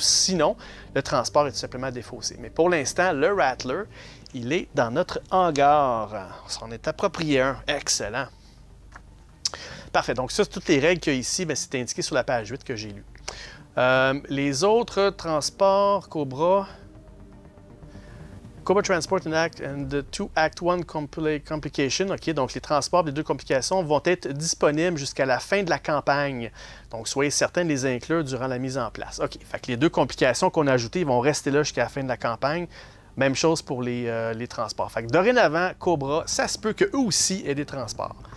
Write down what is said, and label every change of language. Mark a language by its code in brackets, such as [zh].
[fr] Sinon, le transport est tout simplement défaussé. Mais pour l'instant, le Rattler, il est dans notre hangar. On s'en est approprié un. Excellent. Parfait. Donc ça, c'est toutes les règles qu'il y a ici. Bien, c'est indiqué sur la page 8 que j'ai lue. Les autres transports, Cobra... [en] Cobra Transport and the two Act 1 Complication. [fr] OK, donc les transports des deux complications vont être disponibles jusqu'à la fin de la campagne. Donc, soyez certains de les inclure durant la mise en place. OK, fait que les deux complications qu'on a ajoutées vont rester là jusqu'à la fin de la campagne. Même chose pour les transports. Fait que dorénavant, Cobra, ça se peut qu'eux aussi aient des transports.